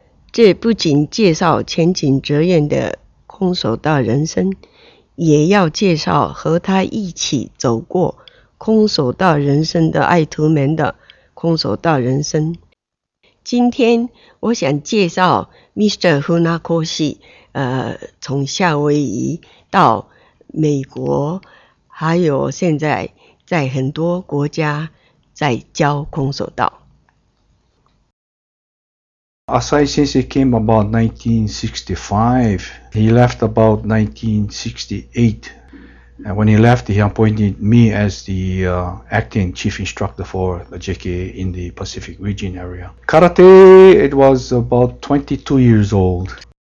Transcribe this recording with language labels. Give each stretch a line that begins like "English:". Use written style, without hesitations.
Chinese: 这不仅介绍前景哲彦的空手道人生，也要介绍和他一起走过空手道人生的爱徒们的空手道人生。今天我想介绍 Mr. Funakoshi， 从夏威夷到美国，还有现在在很多国家在教空手道。
English: Asai sensei came about 1965. He left about 1968. And when he left, he appointed me as the acting chief instructor for the JKA in the Pacific region area. Karate, it was about 22 years old.